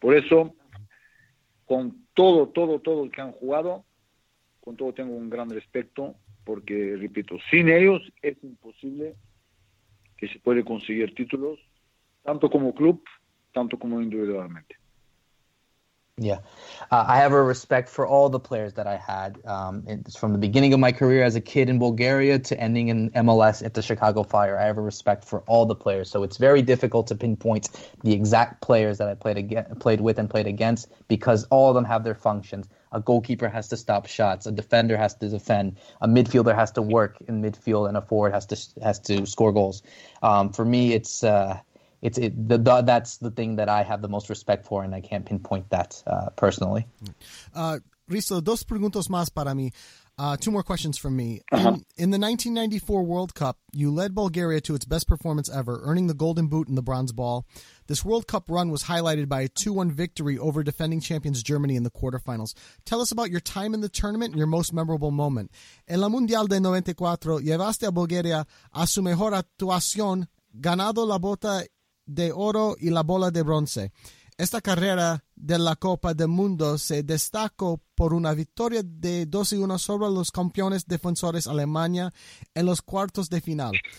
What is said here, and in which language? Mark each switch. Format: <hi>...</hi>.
<es>Por eso, con todo el que han jugado, con todo tengo un gran respeto, porque, repito, sin ellos es imposible que se puede conseguir títulos, tanto como club, tanto como individualmente.</es> <en>Yeah, I have a respect for all the players that I had. It's from the beginning of my career as a kid in Bulgaria to ending in MLS at the Chicago Fire. I have a respect for all the players. So it's very difficult to pinpoint the exact players that I played with and played against because all of them have their functions. A goalkeeper has to stop shots. A defender has to defend. A midfielder has to work in midfield, and a forward has to score goals. For me, it's that's the thing that I have the most respect for, and I can't pinpoint that personally.</en> <es>Risto, dos preguntas más para mí.</es> <en>Two more questions from me. In the 1994 World Cup, you led Bulgaria to its best performance ever, earning the Golden Boot and the Bronze Ball. This World Cup run was highlighted by a 2-1 victory over defending champions Germany in the quarterfinals. Tell us about your time in the tournament and your most memorable moment.</en> <es>En la Mundial de 94, llevaste a Bulgaria a su mejor actuación, ganado la bota de oro y la bola de bronce. Esta carrera de la Copa del Mundo se destacó por una victoria de 2-1 sobre los campeones defensores Alemania en los cuartos de final.</es>